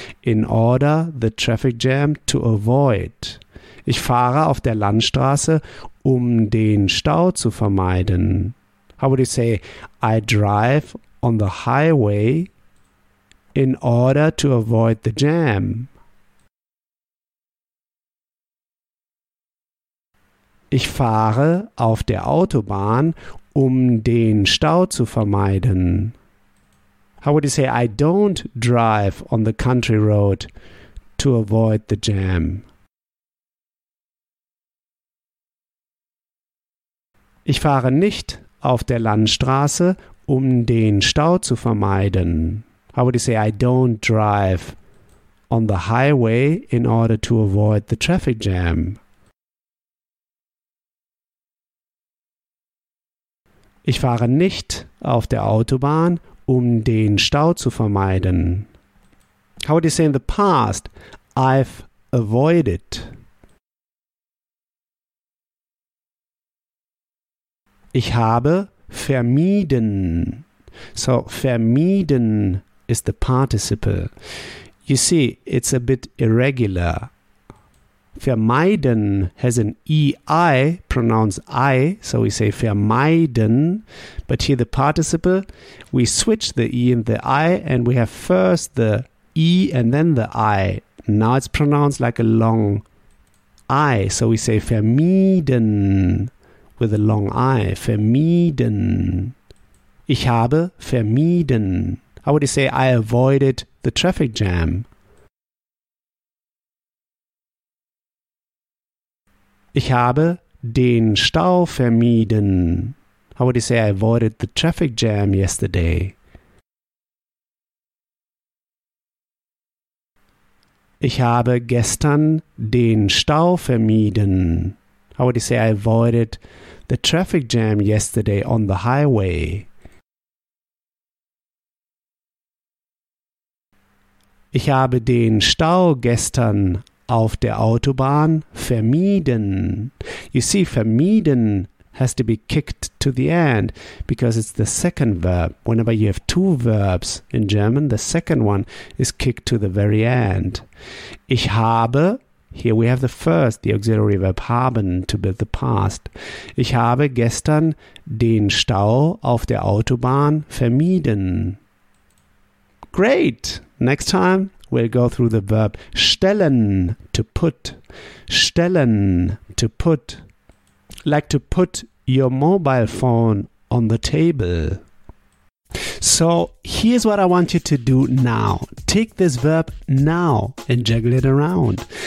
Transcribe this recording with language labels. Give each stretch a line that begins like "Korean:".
English: In order the traffic jam to avoid.
German: Ich fahre auf der Landstraße, um den Stau zu vermeiden.
English: How would you say, I drive on the highway in order to avoid the jam?
German: Ich fahre auf der Autobahn, um den Stau zu vermeiden.
English: How would you say, I don't drive on the country road to avoid the jam?
German: Ich fahre nicht auf der Landstraße, um den Stau zu vermeiden.
English: How would you say, I don't drive on the highway in order to avoid the traffic jam?
German: Ich fahre nicht auf der Autobahn, um den Stau zu vermeiden.
English: How would you say in the past, I've avoided?
German: Ich habe vermieden.
English: So, vermieden is the participle. You see, it's a bit irregular. Vermeiden has an E-I, pronounced I, so we say vermeiden. But here the participle, we switch the E and the I, and we have first the E and then the I. Now it's pronounced like a long I, so we say vermieden. With a long I,
German: vermieden. Ich habe vermieden.
English: How would you say, I avoided the traffic jam?
German: Ich habe den Stau vermieden.
English: How would you say, I avoided the traffic jam yesterday?
German: Ich habe gestern den Stau vermieden.
English: How would you say, I avoided the traffic jam yesterday on the highway?
German: Ich habe den Stau gestern auf der Autobahn vermieden.
English: You see, vermieden has to be kicked to the end because it's the second verb. Whenever you have two verbs in German, the second one is kicked to the very end.
German: Ich habe,
English: here we have the first, the auxiliary verb haben, to build the past.
German: Ich habe gestern den Stau auf der Autobahn vermieden.
English: Great! Next time we'll go through the verb stellen, to put. Stellen, to put. Like to put your mobile phone on the table. So here's what I want you to do now. Take this verb now and juggle it around.